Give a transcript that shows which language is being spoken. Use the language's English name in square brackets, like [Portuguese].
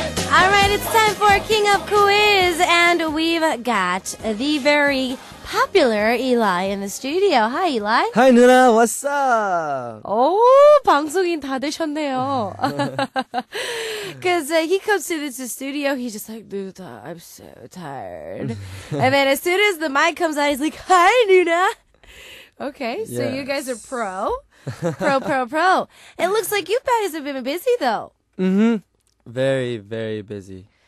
[English] Alright, it's time for King of Quiz, and we've got the very popular Eli in the studio. Hi, Eli. Hi, Nuna. What's up? [Korean] Oh, 방송인 다 되셨네요. [English] Because he comes to the studio, he's just like, Nuna, I'm so tired. And then as soon as the mic comes out, he's like, hi, Nuna. Okay, so yes. You guys are pro. Pro. It looks like you guys have been busy, though. Mm-hmm. Very, very busy.